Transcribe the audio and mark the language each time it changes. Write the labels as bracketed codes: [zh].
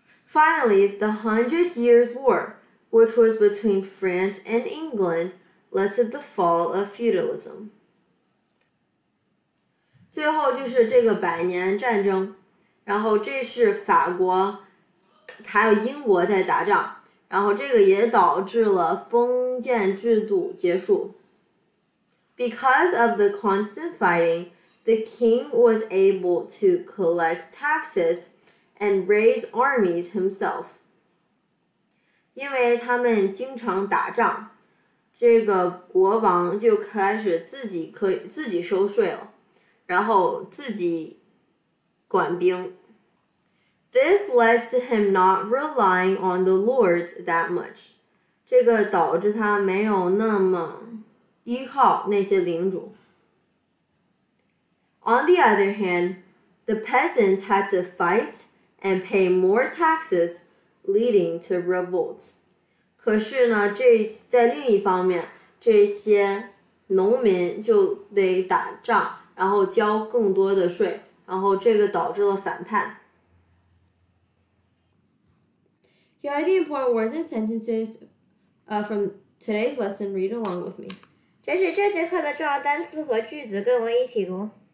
[en] Finally, the Hundred Years' War, which was between France and England, led to the fall of feudalism. [zh] 最后就是这个百年战争，然后这是法国还有英国在打仗，然后这个也导致了封建制度结束。 [en] Because of the constant fighting, the king was able to collect taxes and raise armies himself. [zh] 因为他们经常打仗，这个国王就开始自己收税了，然后自己管兵。 [en] This led to him not relying on the lords that much. [zh] 这个导致他没有那么依靠那些领主。 [en] On the other hand, the peasants had to fight and pay more taxes, leading to revolts. [zh] 可是呢，这在另一方面，这些农民就得打仗，然后交更多的税，然后这个导致了反叛。 [en] Here are the important words and sentences from today's lesson. Read along with me. [zh] 这是这节课的重要单词和句子，跟我一起读。